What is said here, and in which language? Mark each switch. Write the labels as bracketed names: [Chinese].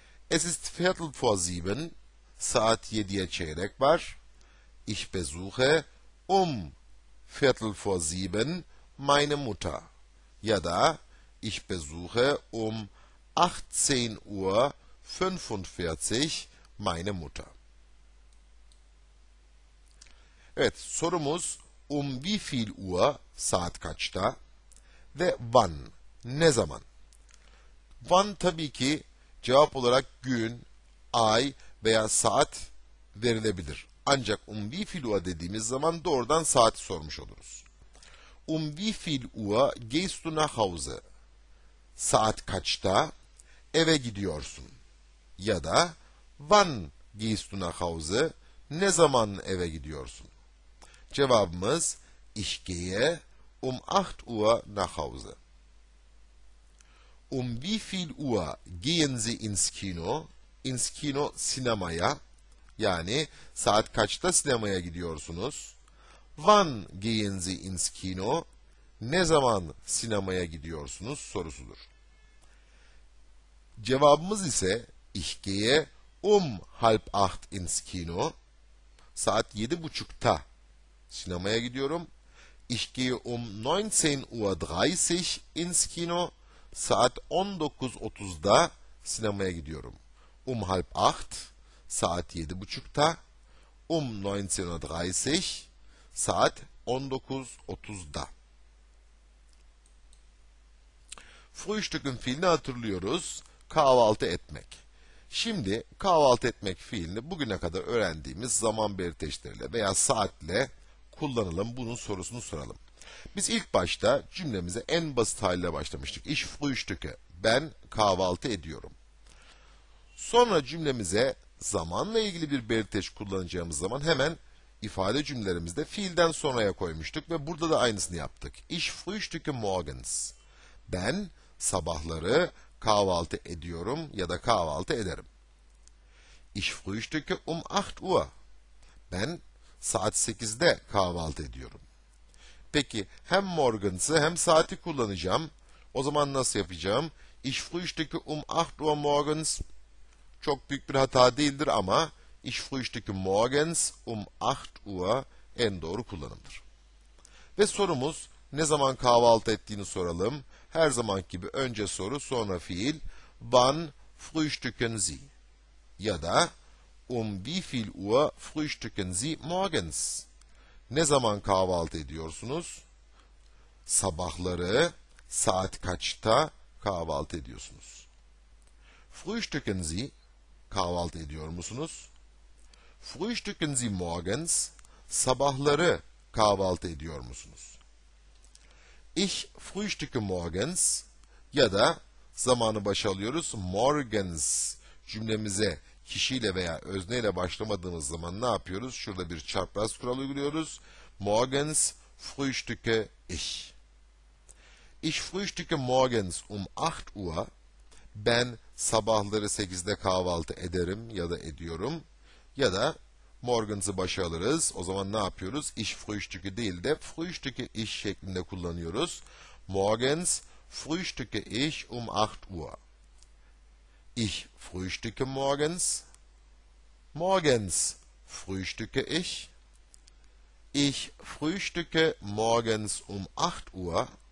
[German] Es ist viertel vor sieben, [Turkish] saat 7'ye çeyrek var. [German] Ich besuche viertel vor sieben meine Mutter. [Turkish] Ya da [German] ich besuche 18:45 meine Mutter. [Turkish] Evet, sorumuz [German] wie viel Uhr, [Turkish] saat kaçta? Ve wann, ne zaman? Wann tabii ki cevap olarak gün, ay veya saat verilebilir. Ancak [German] wie viel Uhr [Turkish] dediğimiz zaman doğrudan saati sormuş oluruz. [German] Wie viel Uhr gehst du nach Hause? [Turkish] Saat kaçta eve gidiyorsun? Ya da [German] wann gehst du nach Hause? [Turkish] Ne zaman eve gidiyorsun? Cevabımız [German] ich gehe 8 Uhr nach Hause. Wie viel Uhr gehen Sie ins Kino? Ins Kino [Turkish] sinemaya. Yani saat kaçta sinemaya gidiyorsunuz? [German] Wann gehen Sie ins Kino? [Turkish] Ne zaman sinemaya gidiyorsunuz sorusudur. Cevabımız ise [German] ich gehe halb acht ins Kino. [Turkish] Saat 7:30'da sinemaya gidiyorum. [German] Ich gehe 19:30 ins Kino. [Turkish] Saat 19:30'da sinemaya gidiyorum. [German] Halb acht, [Turkish] saat 7:30'da. 19:30, saat 19:30'da. Frühstücken fiilini hatırlıyoruz. Kahvaltı etmek. Şimdi kahvaltı etmek fiilini bugüne kadar öğrendiğimiz zaman belirteçleriyle veya saatle kullanalım. Bunun sorusunu soralım. Biz ilk başta cümlemize en basit haliyle başlamıştık. [German] Ich frühstücke. [Turkish] Ben kahvaltı ediyorum. Sonra cümlemize zamanla ilgili bir belirteç kullanacağımız zaman hemen ifade cümlelerimizde fiilden sonraya koymuştuk ve burada da aynısını yaptık. [German] Ich frühstücke morgens. [Turkish] Ben sabahları kahvaltı ediyorum ya da kahvaltı ederim. [German] Ich frühstücke 8 Uhr. [Turkish] Ben saat 8'de kahvaltı ediyorum. Peki hem morgens'ı hem saati kullanacağım. O zaman nasıl yapacağım? [German] Ich frühstücke 8 Uhr morgens. [Turkish] Çok büyük bir hata değildir ama [German] ich frühstücke morgens 8 Uhr [Turkish] en doğru kullanımdır. Ve sorumuz ne zaman kahvaltı ettiğini soralım. Her zamanki gibi önce soru sonra fiil. [German] Wann frühstücken Sie? [Turkish] Ya da [German] wie viel Uhr frühstücken Sie morgens? [Turkish] Ne zaman kahvaltı ediyorsunuz? Sabahları saat kaçta kahvaltı ediyorsunuz? [German] Frühstücken Sie? [Turkish] Kahvaltı ediyor musunuz? [German] Frühstücken Sie morgens? [Turkish] Sabahları kahvaltı ediyor musunuz? [German] Ich frühstücke morgens [Turkish] ya da zamanı başa alıyoruz. Morgens cümlemize kişiyle veya özneyle başlamadığımız zaman ne yapıyoruz? Şurada bir çapraz kural uyguluyoruz. [German] Morgens frühstücke ich. Ich frühstücke morgens 8 Uhr. [Turkish] Ben sabahları 8'de kahvaltı ederim ya da ediyorum. Ya da morgens'ı başa alırız. O zaman ne yapıyoruz? İş frühstücke değil de frühstücke iş şeklinde kullanıyoruz. [German] Morgens frühstücke ich 8 Uhr. Ich frühstücke morgens. Morgens frühstücke ich. Ich frühstücke morgens 8 Uhr.